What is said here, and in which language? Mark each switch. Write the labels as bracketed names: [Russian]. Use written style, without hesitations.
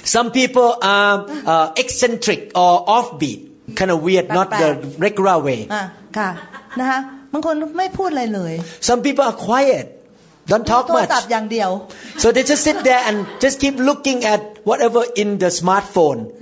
[English] Some people are eccentric or offbeat kind of weird not the regular way [Thai] ค่ะนะฮะบางคนไม่พูดอะไรเลย [English] Some people are quiet don't talk much [Thai] ตัดอย่างเดียว [English] So they just sit there and just keep looking at whatever in the smartphone